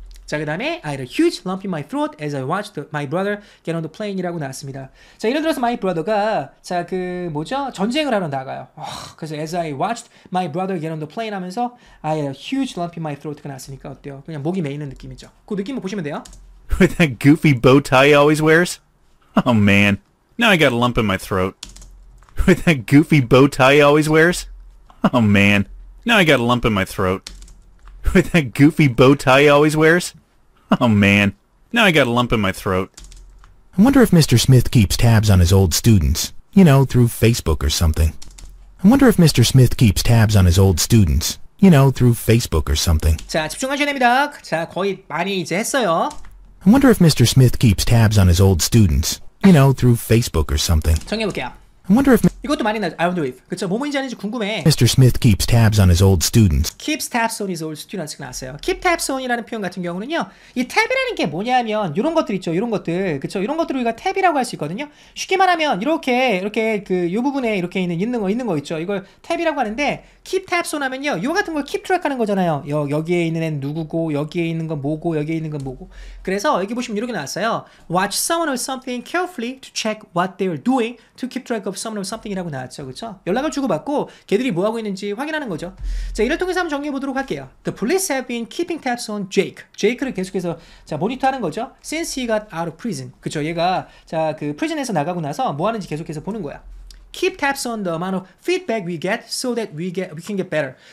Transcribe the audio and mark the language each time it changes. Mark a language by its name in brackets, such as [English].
[Korean] 자 그 다음에 [English] I had a huge lump in my throat as I watched my brother get on the plane [Korean] 이라고 나왔습니다. 자 예를 들어서 my brother가 자 그 뭐죠? 전쟁을 하러 나가요. [English] 그래서 as I watched my brother get on the plane [Korean] 하면서 [English] I had a huge lump in my throat [Korean] 가 나왔으니까 어때요? 그냥 목이 메이는 느낌이죠. 그 느낌을 보시면 돼요. [English] With that goofy bow tie he always wears? Oh man, now I got a lump in my throat. With that goofy bow tie he always wears? Oh man, now I got a lump in my throat. With that goofy bow tie he always wears? Oh man, now I got a lump in my throat. I wonder if Mr. Smith keeps tabs on his old students, you know, through Facebook or something. I wonder if Mr. Smith keeps tabs on his old students, you know, through Facebook or something. [Korean] 자, 집중하셔야 됩니다. 자, 거의 많이 이제 했어요. [English] I wonder if Mr. Smith keeps tabs on his old students, you know, through Facebook or something. [Korean] 정해볼게요. [English] I wonder if [Korean] 이것도 많이 나죠. [English] I wonder if [Korean] 그렇죠. 뭐인지 아닌지 궁금해. [English] Mr. Smith keeps tabs on his old students. Keeps tabs on his old students [Korean] 나왔어요. Keep tabs on이라는 표현 같은 경우는요. 이 tab이라는 게 뭐냐면 이런 것들 있죠. 이런 것들 그렇죠. 이런 것들을 우리가 tab이라고 할 수 있거든요. 쉽게 말하면 이렇게 그 이 부분에 이렇게 있는 거 있죠. 이걸 tab이라고 하는데 keep tabs on 하면요. 이거 같은 걸 keep track 하는 거잖아요. 여기에 있는 애는 누구고 여기에 있는 건 뭐고 여기에 있는 건 뭐고. 그래서 여기 보시면 이렇게 나왔어요. [English] Watch someone or something carefully to check what they're doing to keep track of someone or something. 이라고 나왔죠. 그렇죠? [Korean] 연락을 주고받고 걔들이 뭐하고 있는지 확인하는 거죠. 자, 이를 통해서 한번 정리해보도록 할게요. [English] The police have been keeping tabs on Jake. [Korean] Jake를 계속해서 자, 모니터하는 거죠. [English] Since he got out of prison. [Korean] 그렇죠? 얘가 자, 그 prison에서 나가고 나서 뭐하는지 계속해서 보는 거야. [English] keep tabs on the amount of feedback we get so that we can get better.